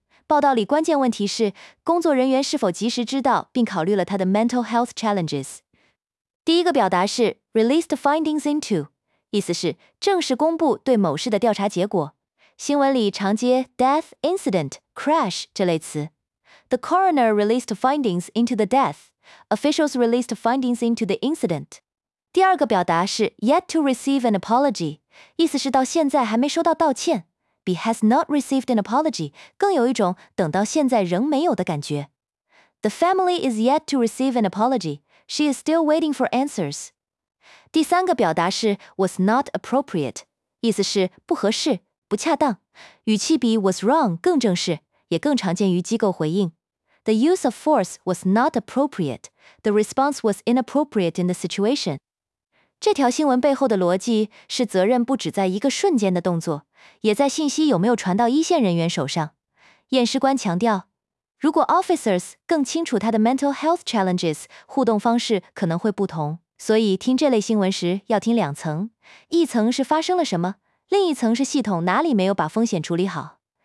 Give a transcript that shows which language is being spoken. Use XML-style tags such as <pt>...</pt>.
<zh>报道里关键问题是工作人员是否及时知道并考虑了他的</zh> <en>mental health challenges。</en> <zh>第一个表达是</zh> <en>released findings into，</en> <zh>意思是正式公布对某事的调查结果，新闻里常接</zh> <en>death, incident, crash</en> <zh>这类词。</zh> <en>The coroner released findings into the death. Officials released findings into the incident.</en> <zh>第二个表达是</zh> <en>yet to receive an apology，</en> <zh>意思是到现在还没收到道歉。</zh> <en>Be has not received an apology</en> <zh>更有一种等到现在仍没有的感觉。</zh> <en>The family is yet to receive an apology. She is still waiting for answers.</en> <zh>第三个表达是</zh> <en>was not appropriate，</en> <zh>意思是不合适，不恰当，语气比</zh> <en>was wrong</en> <zh>更正式，也更常见于机构回应。</zh> <en>The use of force was not appropriate. The response was inappropriate in the situation.</en> <zh>这条新闻背后的逻辑是责任不止在一个瞬间的动作，也在信息有没有传到一线人员手上。验尸官强调，如果 officers 更清楚他的</zh> <en>mental health challenges，</en> <zh>互动方式可能会不同。所以听这类新闻时要听两层，一层是发生了什么，另一层是系统哪里没有把风险处理好。</zh>